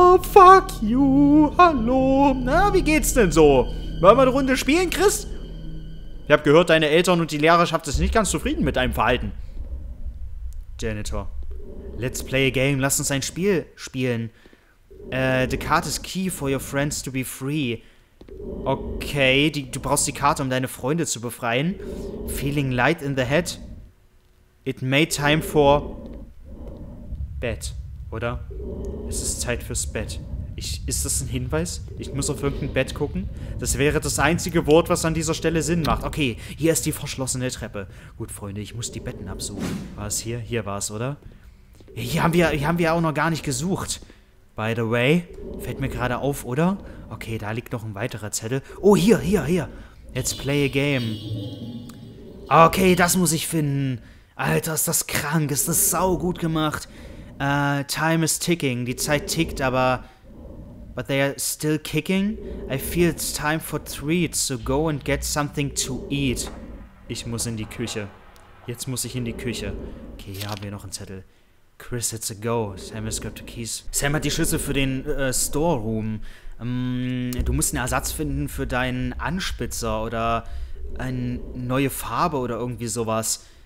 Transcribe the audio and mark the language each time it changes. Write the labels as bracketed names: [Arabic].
[English] Fuck you, [German] hallo. Na, wie geht's denn so? Wollen wir eine Runde spielen, Chris? Ich hab gehört, deine Eltern und die Lehrerschaft sind nicht ganz zufrieden mit deinem Verhalten. Janitor. [English] Let's play a game, [German] lass uns ein Spiel spielen. [English] The card is key for your friends to be free. [German] Okay, du brauchst die Karte, um deine Freunde zu befreien. [English] Feeling light in the head. It made time for... bed, oder? [German] Es ist Zeit fürs Bett. Ist das ein Hinweis? Ich muss auf irgendein Bett gucken? Das wäre das einzige Wort, was an dieser Stelle Sinn macht. Okay, hier ist die verschlossene Treppe. Gut, Freunde, ich muss die Betten absuchen. War es hier? Hier war es, oder? Hier haben wir auch noch gar nicht gesucht. [English] By the way, [German] fällt mir gerade auf, oder? Okay, da liegt noch ein weiterer Zettel. Oh, hier. [English] Let's play a game. [German] Okay, das muss ich finden. Alter, ist das krank. Ist das saugut gemacht. [English] Time is ticking. [German] Die Zeit tickt, aber... [English] But they are still kicking? I feel it's time for treats, so go and get something to eat. [German] Ich muss in die Küche. Jetzt muss ich in die Küche. Okay, hier haben wir noch einen Zettel. Chris, [English] it's a go. Sam has got the keys. [German] Sam hat die Schlüssel für den Storeroom. Du musst einen Ersatz finden für deinen Anspitzer oder eine neue Farbe oder irgendwie sowas.